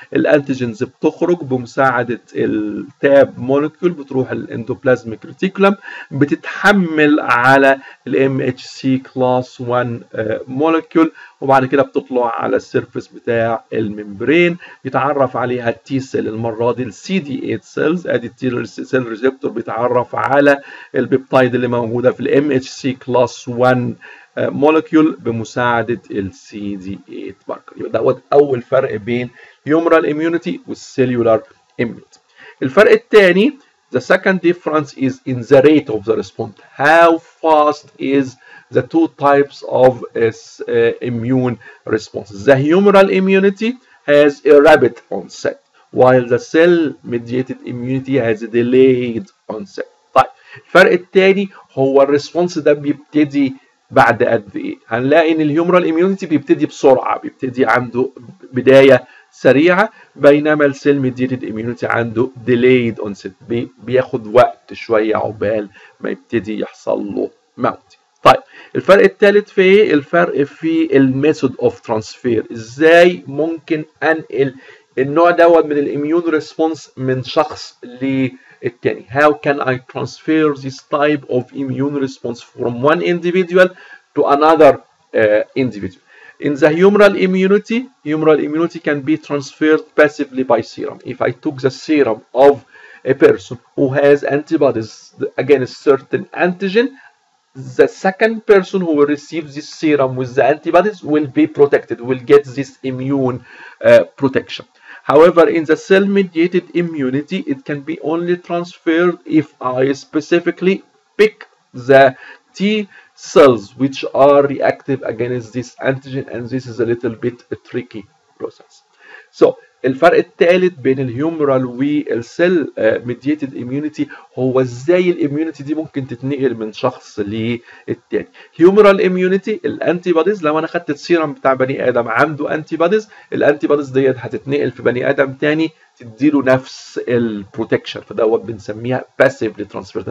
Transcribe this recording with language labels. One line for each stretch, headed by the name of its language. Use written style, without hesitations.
Arabic: الانتيجنز بتخرج بمساعده التاب مولكيول، بتروح الاندوبلازميك ريتيكولم، بتتحمل على الام اتش سي كلاس 1 مولكيول، وبعد كده بتطلع على السيرفيس بتاع الممبرين، يتعرف عليها التي سيل، المره دي السي دي 8 سيلز، ادي التي سيل ريسبتور بيتعرف على البيبتايد اللي موجوده في الام اتش سي كلاس 1 مولكيول بمساعده السي دي 8 ماركر. يبقى دوت اول فرق بين هيومرال اميونيتي والسيلولار اميونيتي. الفرق الثاني،
English: the second difference is in the rate of the response. How fast is the two types of immune responses? The humoral immunity has a rapid onset, while the cell-mediated immunity has a delayed onset.
Arabic: طيب الفرق الثاني هو الريسبونس ده بيبتدي بعد قد ايه؟ هنلاقي ان الهيومرال immunity بيبتدي بسرعه، بيبتدي عنده بدايه سريعه، بينما السيل ميديتد اميونيتي عنده ديلايد اونست، بياخد وقت شويه عقبال ما يبتدي يحصل له
English: mount.
Arabic: طيب الفرق الثالث في ايه؟ الفرق في الميثود اوف ترانسفير، ازاي ممكن انقل النوع دوت من الاميون ريسبونس من شخص للتاني.
English: How can I transfer this type of immune response from one individual to another individual? In the humoral immunity can be transferred passively by serum. If I took the serum of a person who has antibodies against a certain antigen, the second person who will receive this serum with the antibodies will be protected, will get this immune protection. However, in the cell-mediated immunity, it can be only transferred if I specifically pick the T cells which are reactive against this antigen, and this is a little bit a tricky process.
Arabic: So الفرق الثالث بين الهيومرال والسيل ميديتد اميونيتي هو ازاي الاميونيتي دي ممكن تتنقل من شخص للتاني. هيومرال اميونيتي الانتي بوديز، لو انا خدت السيرم بتاع بني ادم عنده انتي بوديز، الانتي بوديز ديت هتتنقل في بني ادم تاني تديله نفس البروتكشن، فدوت بنسميها باسيف ترانسفير.